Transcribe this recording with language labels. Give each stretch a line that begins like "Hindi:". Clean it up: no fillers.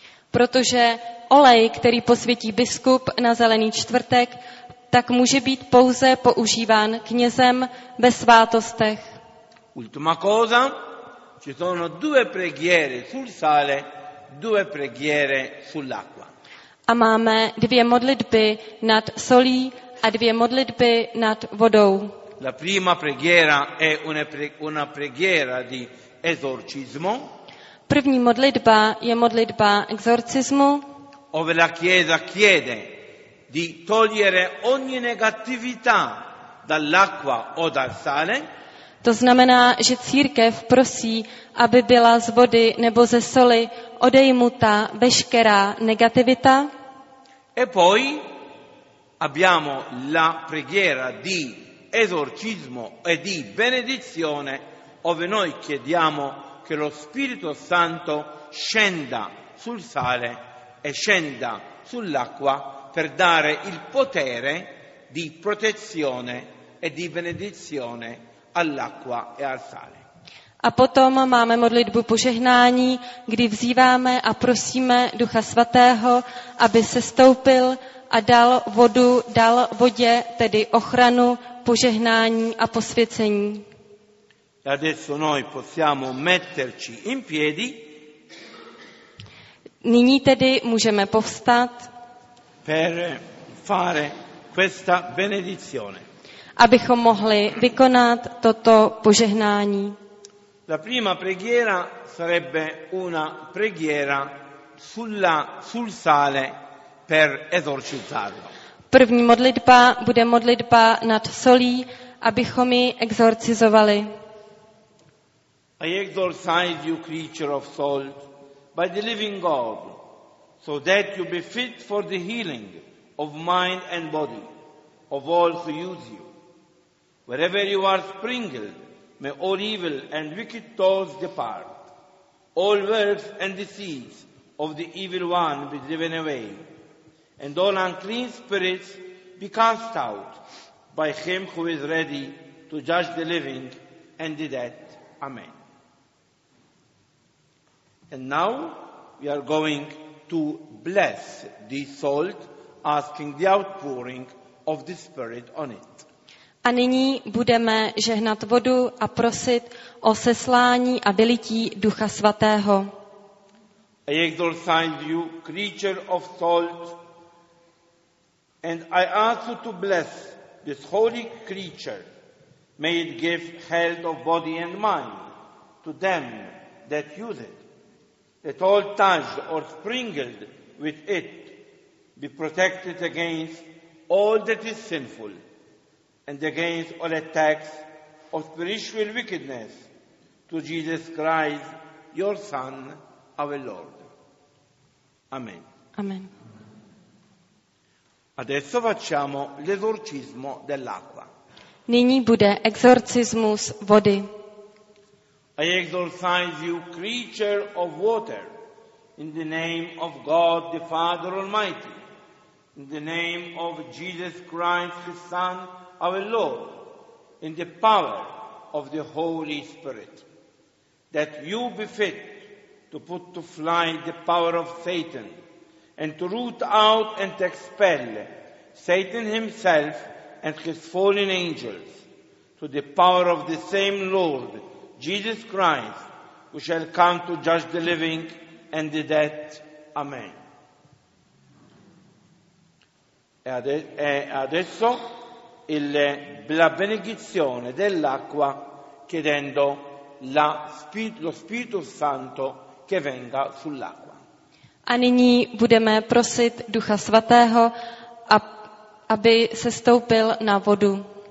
Czech: Protože olej, který posvětí biskup na zelený čtvrtek, tak může být pouze používán knězem ve svátostech.
Italian: Ultima cosa, ci sono due preghiere sul sale, due preghiere sull'acqua.
Czech: A máme dvě modlitby nad solí a dvě modlitby nad vodou.
Italian: La prima preghiera è una preghiera di esorcismo.
Czech: První modlitba je modlitba exorcismu.
Italian: Ove la chiesa chiede di togliere ogni negatività dall'acqua o dal sale.
Czech: To znamená, že církev prosí, aby byla z vody nebo ze soli odejmuta veškerá negativita.
Italian: E poi abbiamo la preghiera di esorcismo e di benedizione, ove noi chiediamo che lo Spirito Santo scenda sul sale e scenda sull'acqua per dare il potere di protezione e di benedizione all'acqua e al sale.
Czech: A potom máme modlitbu požehnání, kdy vzýváme a prosíme Ducha Svatého, aby sestoupil a dal vodu, dal vodě, tedy ochranu, požehnání a posvěcení.
Italian: Adesso noi possiamo metterci in piedi.
Czech: Nyní tedy můžeme povstat.
Italian: Per fare questa benedizione.
Czech: Abychom mohli vykonat toto požehnání.
Italian: La prima preghiera sarebbe una preghiera sul sale per esorcizzarlo.
Czech: První modlitba bude modlitba nad solí, abychom ji exorcizovali.
English: I exorcise you, creature of salt, by the living God, so that you be fit for the healing of mind and body, of all who use you. Wherever you are sprinkled, may all evil and wicked thoughts depart. All works and deceits of the evil one be driven away, and all unclean spirits be cast out by him who is ready to judge the living and the dead. Amen. And now we are going to bless the salt, asking the outpouring of the Spirit on it.
Czech: A nyní budeme žehnat vodu a prosit o seslání a vylití Ducha Svatého.
English: I exorcise you, creature of salt, and I ask you to bless this holy creature. May it give health of body and mind to them that use it, that all touched or sprinkled with it be protected against all that is sinful and against all attacks of spiritual wickedness, to Jesus Christ, your Son, our Lord. Amen. Amen.
Italian: Adesso facciamo l'esorcismo dell'acqua.
Czech: Nyní bude exorcismus vody.
English: I exorcise you, creature of water, in the name of God the Father Almighty, in the name of Jesus Christ, his Son, our Lord, in the power of the Holy Spirit, that you be fit to put to flight the power of Satan and to root out and to expel Satan himself and his fallen angels to the power of the same Lord, Jesus Christ, who shall come to judge the living and the dead. Amen.
Italian: E adesso la benedizione dell'acqua, chiedendo lo Spirito Santo che venga sull'acqua.
Czech: A nyní budeme prosit Ducha Svatého, aby se stoupil na vodu.